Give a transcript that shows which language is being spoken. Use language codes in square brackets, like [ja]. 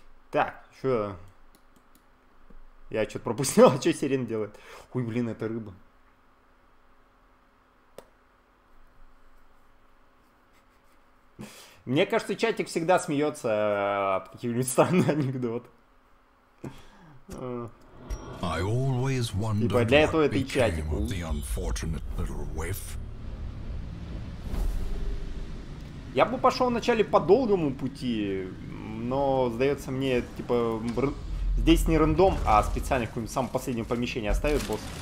[ru] Так, что? Я что-то пропустил, а что сирен делает? Ой, блин, это рыба. Мне кажется, чатик всегда смеется от каких-нибудь странных анекдотов. [en] I always wondered what became of the unfortunate little whiff. [ru] Я бы пошел вначале по долгому пути, но сдается мне, типа, здесь не рандом, а специально в каком-нибудь самом последнем помещении оставит босс.